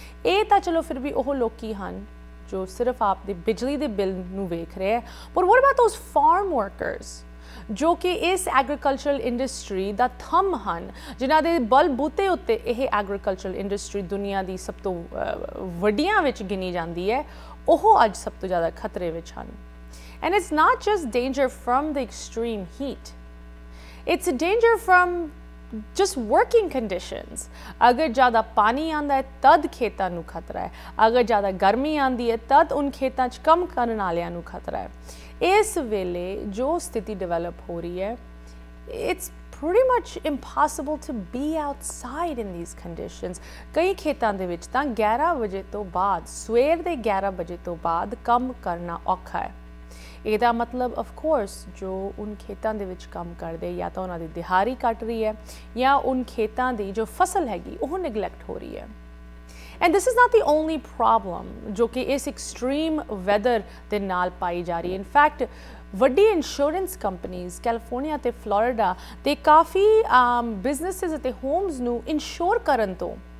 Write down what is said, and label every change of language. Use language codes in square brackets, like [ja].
[pa] ਇਹ ਤਾਂ ਚਲੋ ਫਿਰ ਵੀ ਉਹ ਲੋਕ ਹਨ ਜੋ ਸਿਰਫ ਆਪਦੇ ਬਿਜਲੀ ਦੇ ਬਿੱਲ ਨੂੰ ਵੇਖ ਰਹੇ ਹੈ ਪਰ [en] what about those farm workers [pa] ਜੋ ਕਿ ਇਸ ਐਗਰੀਕਲਚਰਲ ਇੰਡਸਟਰੀ ਦਾ ਥੰਮ ਹਨ ਜਿਨ੍ਹਾਂ ਦੇ ਬਲ ਬੂਤੇ ਉੱਤੇ ਇਹ ਐਗਰੀਕਲਚਰਲ ਇੰਡਸਟਰੀ ਦੁਨੀਆ ਦੀ ਸਭ ਤੋਂ ਵੱਡੀਆਂ ਵਿੱਚ ਗਿਣੀ ਜਾਂਦੀ ਹੈ ਉਹ ਅੱਜ ਸਭ ਤੋਂ ਜ਼ਿਆਦਾ ਖਤਰੇ ਵਿੱਚ ਹਨ [en] And it's not just danger from the extreme heat It's a danger from just working conditions. [pa] ਅਗਰ ਜਿਆਦਾ ਪਾਣੀ ਆਂਦਾ ਹੈ ਤਦ ਖੇਤਾਂ ਨੂੰ ਖਤਰਾ ਹੈ. ਅਗਰ ਜਿਆਦਾ ਗਰਮੀ ਆਂਦੀ ਹੈ ਤਦ ਉਨ ਖੇਤਾਂ ਚ ਕੰਮ ਕਰਨ ਵਾਲਿਆਂ ਨੂੰ ਖਤਰਾ ਹੈ. Is vele jo sthiti develop ho rahi hai, [en] it's pretty much impossible to be outside in these conditions. [pa] ਕਈ ਖੇਤਾਂ ਦੇ ਵਿਚ ਤਾਂ 11 ਬਜੇ ਤੋ ਬਾਅਦ, ਸਵੇਰ ਦੇ 11 ਬਜੇ ਤੋ ਬਾਅਦ ਕੰਮ ਕਰਨਾ ਔਖਾ ਹੈ. ਇਹਦਾ ਮਤਲਬ ਅਫਕੋਰਸ ਜੋ ਉਨ ਖੇਤਾਂ ਦੇ ਵਿੱਚ ਕੰਮ ਕਰਦੇ ਜਾਂ ਤਾਂ ਉਹਨਾਂ ਦੀ ਦਿਹਾੜੀ ਕੱਟ ਰਹੀ ਹੈ ਜਾਂ ਉਨ ਖੇਤਾਂ ਦੀ ਜੋ ਫਸਲ ਹੈਗੀ ਉਹ ਨਿਗਲੈਕਟ ਹੋ ਰਹੀ ਹੈ [en] and this is not the only problem [pa] ਜੋ ਕਿ ਇਸ ਐਕਸਟ੍ਰੀਮ ਵੈਦਰ ਦੇ ਨਾਲ ਪਾਈ ਜਾ ਰਹੀ ਹੈ ਇਨਫੈਕਟ ਵੱਡੀ ਇੰਸ਼ੋਰੈਂਸ ਕੰਪਨੀਜ਼ ਕੈਲੀਫੋਰਨੀਆ ਅਤੇ ਫਲੋਰੀਡਾ ਅਤੇ ਕਾਫੀ ਬਿਜ਼ਨਸਿਸ ਅਤੇ ਹੋਮਸ ਨੂੰ ਇਨਸ਼ੋਰ ਕਰਨ ਤੋਂ